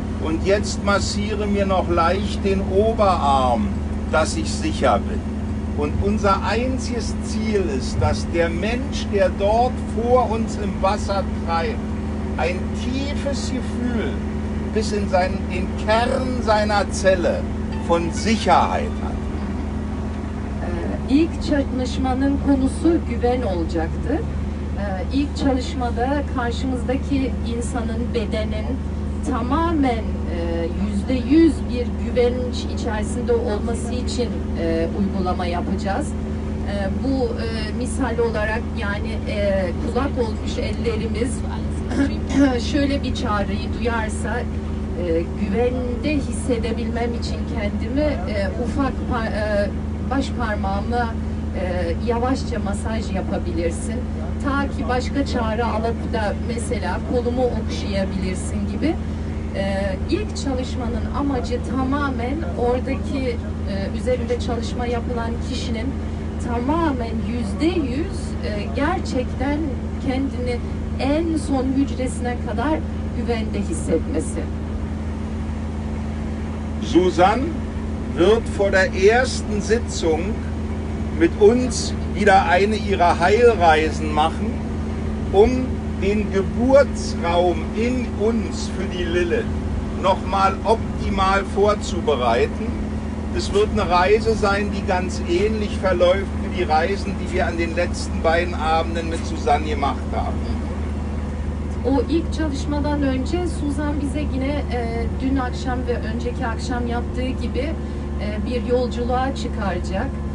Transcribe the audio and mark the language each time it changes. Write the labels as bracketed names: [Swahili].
[German] Und jetzt massiere mir noch leicht den Oberarm, dass ich sicher bin. Und unser einziges Ziel ist, dass der Mensch, der dort vor uns im Wasser treibt, ein tiefes Gefühl bis in den Kern seiner Zelle von Sicherheit hat. [Turkish] İlk çalışmanın konusu güven olacaktı. İlk çalışmada karşımızdaki insanın bedenin tamamen %100 bir güvenç içerisinde olması için uygulama yapacağız. Bu misal olarak, yani kulak olmuş ellerimiz şöyle bir çağrıyı duyarsa, güvende hissedebilmem için kendimi ufak baş parmağımla yavaşça masaj yapabilirsin. Ta ki başka çağrı alıp da mesela kolumu okşayabilirsin gibi. İlk çalışmanın amacı tamamen oradaki üzerinde çalışma yapılan kişinin tamamen %100 gerçekten kendini en son hücresine kadar güvende hissetmesi. [German] Susan wird vor der ersten Sitzung mit uns wieder eine ihrer Heilreisen machen, um den Geburtsraum in uns für die Lilith nochmal optimal vorzubereiten. Das wird eine Reise sein, die ganz ähnlich verläuft wie die Reisen, die wir an den letzten beiden Abenden mit Susanne gemacht haben. [Turkish] O ilk çalışmadan önce Susan bize yine dün akşam ve önceki akşam yaptığı gibi bir yolculuğa çıkaracak.